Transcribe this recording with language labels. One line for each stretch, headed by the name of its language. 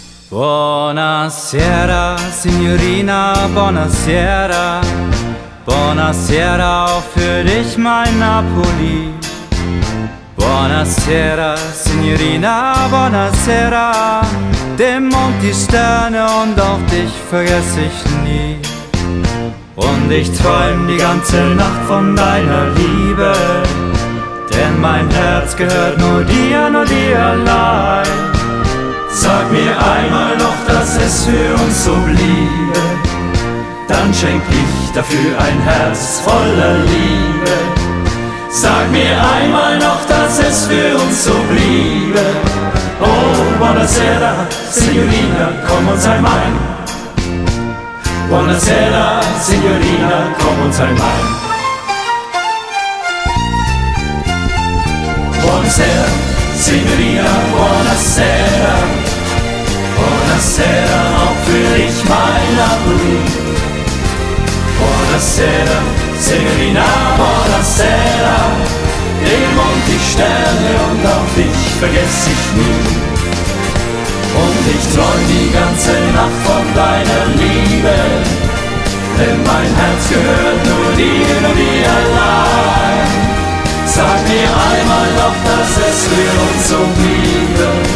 Italian: Buonasera, signorina, buonasera.
German: Buonasera auch für dich, mein Napoli.
Italian: Buonasera, signorina, buonasera.
German: Den Mond, die Sterne und auch dich vergess ich nie. Und ich träum die ganze Nacht von deiner Liebe. Denn mein Herz gehört nur dir allein. Sag mir einmal noch, dass es für uns so bliebe. Dann schenk ich dafür ein Herz voller Liebe. Sag mir einmal noch, dass es für uns so bliebe. Oh,
Italian: buonasera, signorina,
German: komm und sei mein.
Italian: Buonasera, signorina,
German: komm und sei mein.
Italian: Buonasera, signorina, buonasera.
German: Buonasera, auch für dich, mein Napoli.
Italian: Buonasera, signorina, buonasera.
German: Den Mond, die Sterne und auch dich vergess ich nie. Und ich träum die ganze Nacht von deiner Liebe. Denn mein Herz gehört nur dir allein. Sag mir einmal noch, dass es für uns so bliebe.